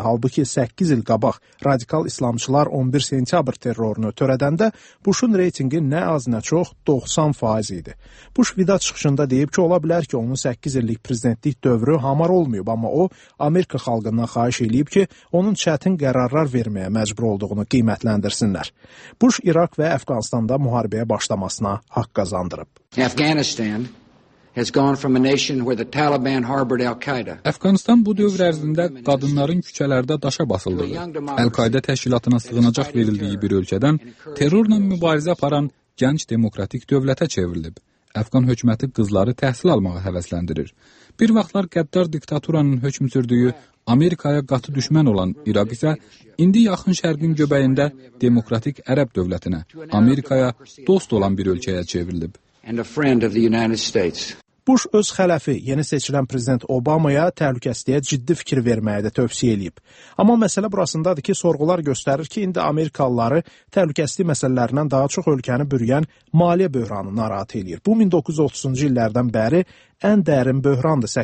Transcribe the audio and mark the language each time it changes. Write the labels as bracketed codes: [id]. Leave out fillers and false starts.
[az] Halbuki 8 il qabaq radikal İslamçılar 11 sentyabr terrorunu törədəndə Bush'un reytingi nə az nə çox 90% idi. Bush vida çıxışında deyib ki, ola bilər ki, onun 8 illik prezidentlik dövrü hamar olmayıb, amma o, Amerika xalqından xahiş eləyib ki, onun çətin qərarlar verməyə məcbur olduğunu qiymətləndirsinlər. Bush İraq və Əfqanistanda müharibəyə başlamasına haqq qazandırıb. [en] Afghanistan has gone from a nation where the Taliban harbored Al-Qaeda. [az] Afghanistan bu dövr ərzində qadınların küçələrdə daşa basıldığı, Al-Qaeda təşkilatına sığınacaq verildiyi bir ölkədən terrorla mübarizə aparan gənc demokratik dövlətə çevrilib. Afğan hökuməti qızları təhsil almağa həvəsləndirir. Bir vaxtlar qəddar diktaturanın hökm sürdüyü Amerikaya qatı düşmən olan İraq isə indi yaxın şərqin göbəyində demokratik ərəb dövlətinə, Amerikaya dost olan bir ölkəyə çevrilib. [en] And a friend of the United States. [az] Bush öz xələfi, yeni seçilən prezident Obama'ya təhlükəsizliyə ciddi fikir verməyi də tövsiyə eləyib. Amma məsələ burasındadır ki, sorğular göstərir ki, indi Amerikalıları təhlükəsizlik məsələlərindən daha çox ölkəni bürüyən maliyyə böhranı narahat eləyir. Bu, 1930-cu illərdən bəri ən dərin böhrandır.